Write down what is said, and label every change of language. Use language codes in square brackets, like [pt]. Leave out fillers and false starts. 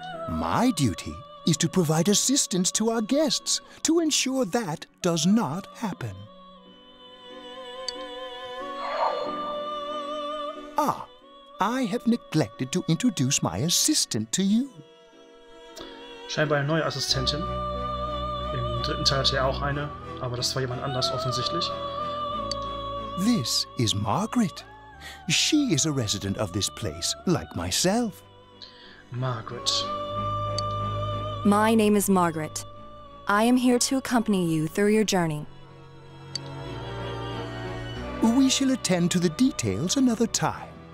[en] My duty is to provide assistance to our guests to ensure that does not happen. Ah, I have neglected to introduce my assistant to you. [de] Scheinbar eine neue Assistentin. Im dritten Teil hatte er auch eine, aber das war jemand anders offensichtlich. [en] This is Margaret. She is a resident of this place, like myself. Margaret. My name is Margaret. I am here to accompany you through your journey. We shall attend to the details another time.